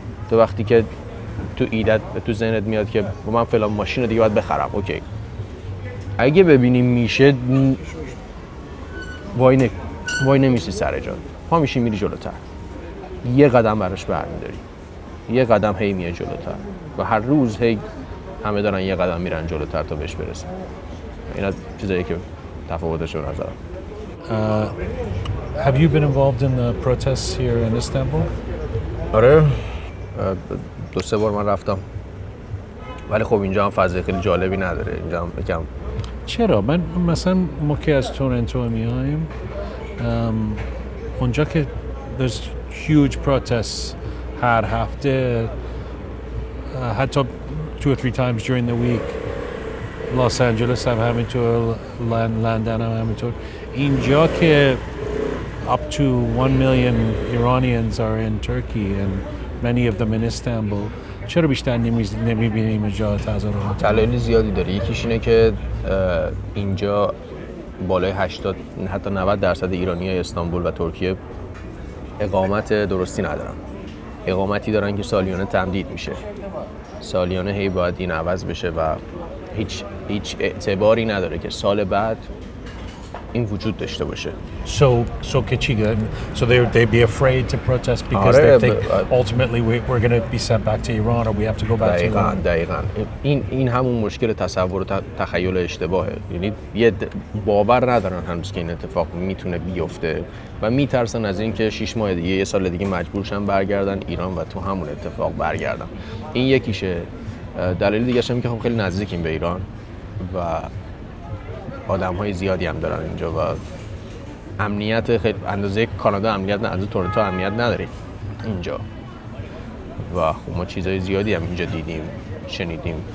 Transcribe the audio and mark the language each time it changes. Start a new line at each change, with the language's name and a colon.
Persian: تو وقتی که تو ایدت تو ذهنت میاد که با من فلان ماشین رو دیگه باید بخرم، اوکی، اگه ببینی میشه وای نمیشه سر جان، پا میشی میری جلوتر، یه قدم براش برمیداری، یه قدم هی میای جلوتر و هر روز هی همه دارن یه قدم میرن جلوتر تا بهش برسن. این از چیزایی که تفاوتش رو نظرم.
English: Have you been involved in the protests here in Istanbul?
Persian: آره، دو سه بار من رفتم، ولی خب اینجا هم فضای خیلی جالبی نداره. اینجا هم یکم چرا؟ من مثلا ما که از تورنتو میایم، اونجا که
English: there's huge protests
Persian: هر هفته، حتی
English: two or three times during the week.
Persian: لس آنجلس هم همینطور، لندن هم همینطور. اینجا که
English: up to 1 million Iranians are in Turkey and many of them in Istanbul،
Persian: چرا بیشتر نمیبینیم اینجا تظاهرات؟ دلایل زیادی داره. یکیش اینه که اینجا بالای 80 حتی 90 درصد ایرانیای استانبول و ترکیه اقامت درستی ندارن. اقامتی دارن که سالیانه تمدید میشه. سالیانه هی باید این عوض بشه و هیچ اعتباری نداره که سال بعد این وجود داشته باشه.
English: So
Persian: که چی گفتن؟
English: So they be afraid to protest because آره، they think ultimately we're going to be sent back to Iran or we have to go back
Persian: دقیقاً،
English: to
Persian: دقیقاً. این همون مشکل تصور و تخیل اشتباهه. یعنی یه باور ندارن هنوز که این اتفاق میتونه بیفته و میترسن از اینکه 6 ماه دیگه یه سال دیگه مجبور شن برگردن ایران و تو همون اتفاق برگردن. این یکیشه. دلیل دیگه اش هم که خب خیلی نزدیکیم به ایران و آدم های زیادی هم دارن اینجا و امنیت خیلی اندازه کانادا امنیت نداره، تورنتو امنیت نداره اینجا و خب ما چیزهای زیادی هم اینجا دیدیم، شنیدیم.